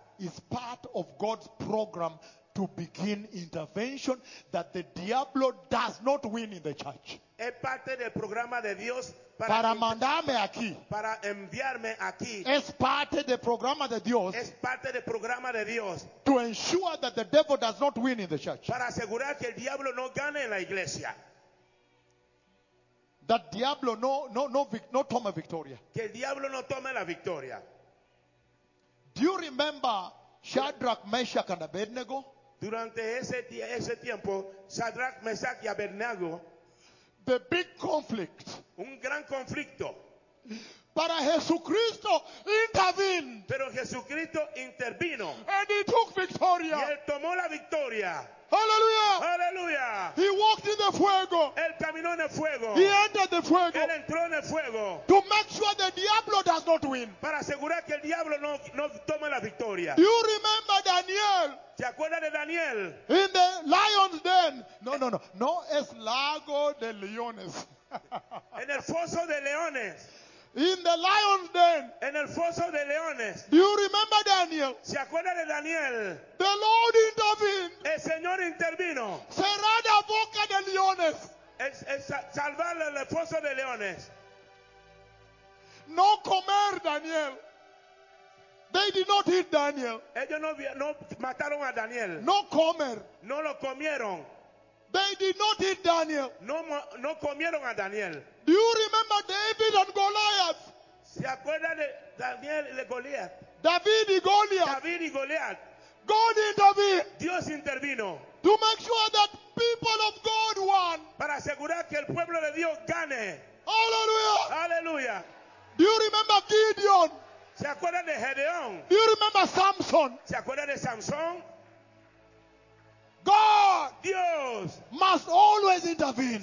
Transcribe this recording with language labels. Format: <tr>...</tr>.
<en>Is part of God's program to begin intervention that the diablo does not win in the church.</en> <es>Es parte del programa de Dios para mandarme aquí. Para enviarme aquí. Es parte del programa de Dios. Es parte del programa de Dios.</es> <en>To ensure that the devil does not win in the church.</en> <es>Para asegurar que el diablo no gane en la iglesia. That diablo no tome victoria. Que el diablo no tome la victoria.</es> <en>Do you remember Shadrach, Meshach and Abednego?</en> <es>Durante ese tiempo, Shadrach, Meshach y Abednego.</es> <en>The big conflict.</en> <es>Un gran conflicto. Para</es> <en>Jesucristo intervened.</en> <es>Pero Jesucristo intervino.</es> <en>And he took victoria.</en> <es>Y él tomó la victoria.</es> <en>Hallelujah.</en> <es>Hallelujah.</es> <en>He walked in the fuego.</en> <es>Él caminó en el fuego.</es> <en>He entered the fuego.</en> <es>Él entró en el fuego.</es> <en>To make sure the diablo does not win.</en> <es>Para asegurar que el diablo no tome la victoria.</es> <en>Do you remember Daniel?</en> <es>¿Te acuerdas de Daniel?</es> <en>In the lion's den.</en> <es>No. No es lago de leones. En el foso de leones.</es> <en>In the lion's den.</en> <es>En el foso de leones.</es> <en>Do you remember Daniel?</en> <es>¿Se acuerda de Daniel?</es> <en>The Lord intervened.</en> <es>El Señor intervino. Cerrar la boca de leones. Salvar el foso de leones. No comer, Daniel.</es> <en>They did not eat Daniel.</en> <es>Ellos no mataron a Daniel. No comer. No lo comieron.</es> <en>They did not eat Daniel.</en> <es>No comieron a Daniel.</es> <en>Do you remember David and Goliath?</en> <es>¿Se acuerda de Daniel y Goliath? David y Goliath. David y Goliath.</es> <en>God intervened.</en> <es>Dios intervino.</es> <en>To make sure that people of God won.</en> <es>Para asegurar que el pueblo de Dios gane.</es> <en>Hallelujah.</en> <es>Hallelujah.</es> <en>Do you remember Gideon?</en> <es>¿Se acuerda de Gedeón?</es> <en>Do you remember Samson?</en> <es>¿Se acuerda de Samson?</es> <en>God,</en> <es>Dios,</es> <en>must always intervene.</en>